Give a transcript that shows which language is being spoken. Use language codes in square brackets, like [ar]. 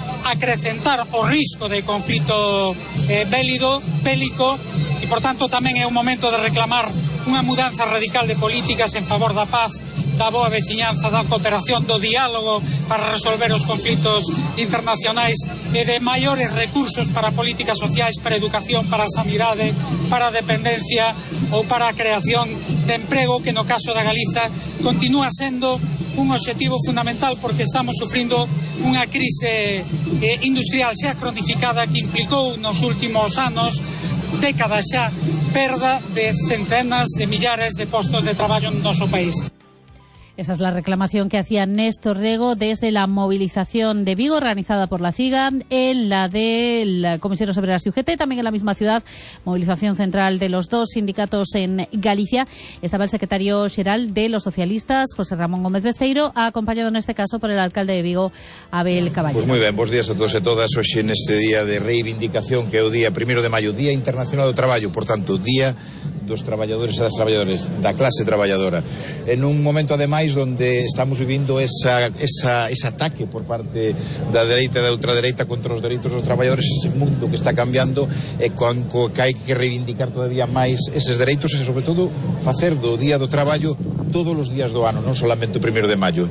[gl] acrecentar o risco de conflito bélico e, por tanto, tamén é un momento de reclamar unha mudanza radical de políticas en favor da paz, da boa veciñanza, da cooperación, do diálogo para resolver os conflitos internacionais e de maiores recursos para políticas sociais, para educación, para sanidade, para dependencia ou para a creación de emprego, que no caso da Galiza continúa sendo un obxectivo fundamental porque estamos sufrindo unha crise industrial xa cronificada que implicou nos últimos anos, décadas xa, perda de centenas de millares de postos de traballo no noso país. [es] Esa es la reclamación que hacía Néstor Rego desde la movilización de Vigo organizada por la CIGA, en la de la Comisiones Obreras y UGT, también en la misma ciudad, movilización central de los dos sindicatos en Galicia. Estaba el secretario xeral de los socialistas, José Ramón Gómez Besteiro, acompañado en este caso por el alcalde de Vigo, Abel Caballero. Pues muy bien, buenos días a todos y a todas. Hoy en este día de reivindicación, que es el día primero de mayo, Día Internacional del Trabajo, por tanto, [gl] día dos traballadores e das traballadoras, da clase traballadora. En un momento, ademais, onde estamos vivindo ese ataque por parte da dereita e da ultradereita contra os dereitos dos traballadores, ese mundo que está cambiando e que hai que reivindicar todavía máis eses dereitos e, sobre todo, facer do Día do Traballo todos os días do ano, non solamente o 1º de maio.